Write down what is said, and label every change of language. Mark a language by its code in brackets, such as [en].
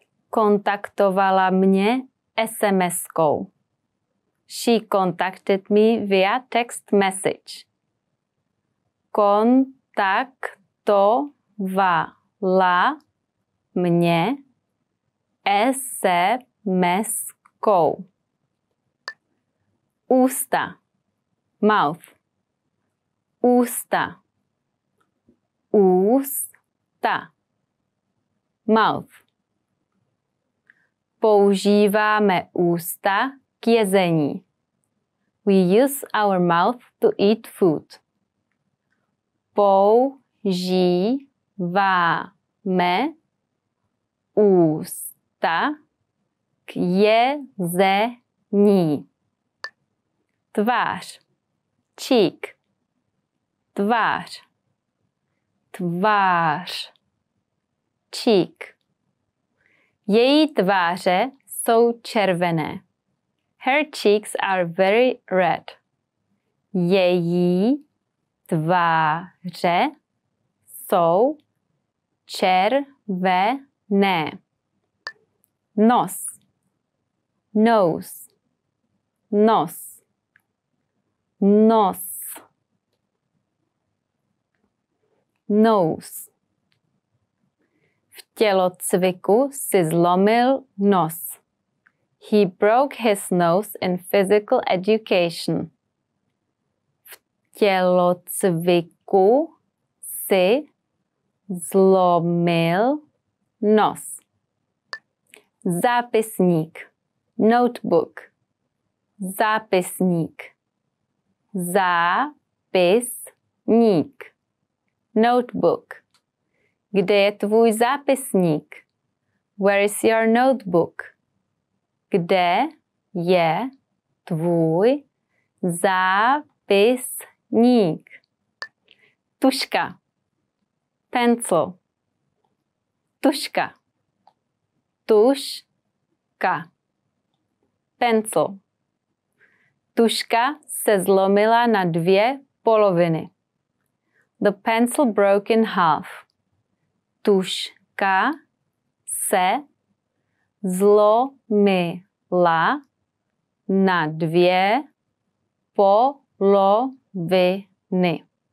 [cs] Kontaktovala mě SMS-kou. [en] She contacted me via text message. [cs] Kontaktovala mě SMS-kou. Ústa. Mouth. Ústa. ústa, mouth. Používáme ústa k jezení. [en] We use our mouth to eat food. [cs] Používáme ústa k jezení. Tvář. Cheek. Tvář. Tvář. Cheek. Její tváře jsou červené. [en] Her cheeks are very red. [cs] Její tváře jsou červené. Nos. Nose. Nos. Nos. [en] Nose. [cs] V tělocviku si zlomil nos. [en] He broke his nose in physical education. [cs] V tělocviku si zlomil nos. Zápisník. Notebook. Zápisník. Zápisník. [en] Notebook. [cs] Kde je tvůj zápisník? [en] Where is your notebook? [cs] Kde je tvůj zápisník? Tuška. [en] Pencil. [cs] Tuška. Tuška. [en] Pencil. [cs] Tuška se zlomila na dvě poloviny. [en] The pencil broke in half. [cs] Tuška se zlomila na dvě poloviny.